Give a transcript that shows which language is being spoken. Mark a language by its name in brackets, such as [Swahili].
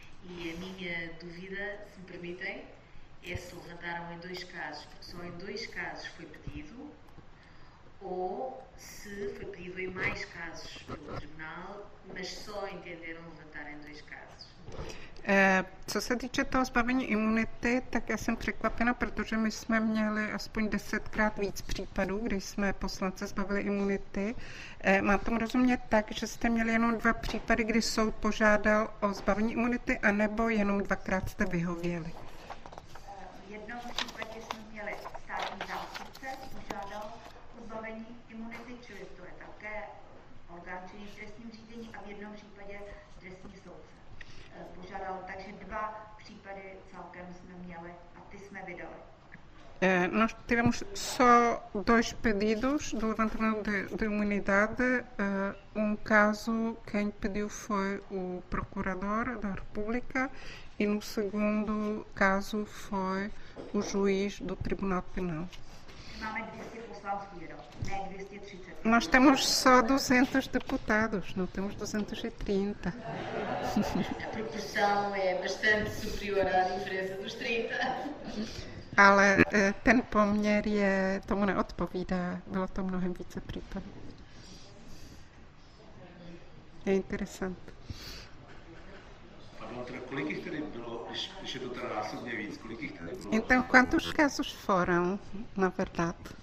[Portuguese] E a minha dúvida, se me permitem, é se levantaram em dois casos, porque só em dois casos foi pedido, ou se foi pedido em mais casos pelo tribunal, mas só entenderam levantar em dois casos. [Czech] Co se týče toho zbavení imunity, tak já jsem překvapena, protože my jsme měli aspoň 10x víc případů, kdy jsme poslance zbavili imunity. Mám tomu rozumět tak, že jste měli jenom dva případy, kdy soud požádal o zbavení imunity, anebo jenom dvakrát jste vyhověli? V jednom případě jsme měli státní zástupce, požádal o zbavení imunity, čili to je také orgán činný v trestním řízení, a v jednom případě trestní soudce požádal. Takže dva případy celkem jsme měli a ty jsme vydali. [Portuguese] Nós tivemos só dois pedidos de levantamento de imunidade. Um caso, quem pediu foi o Procurador da República, e no segundo caso foi o juiz do Tribunal Penal. [Czech] Máme 200 poslanců, Jiro, ne 230, tak [Portuguese] Nós [Czech] jak jsem [Portuguese] temos só [Czech] slyšela. [Portuguese] 200 deputados, não temos 230. A proporção é bastante superior à diferença dos 30. [Czech] Ale ten poměr je, tomu neodpovídá. Bylo to mnohem více případů. [Portuguese] Je interesant. [Czech] Pardon, teda kolik jich tady bylo, když je to teda násobně víc, kolik jich tady bylo? [Portuguese] Então, quantos casos foram, na verdade?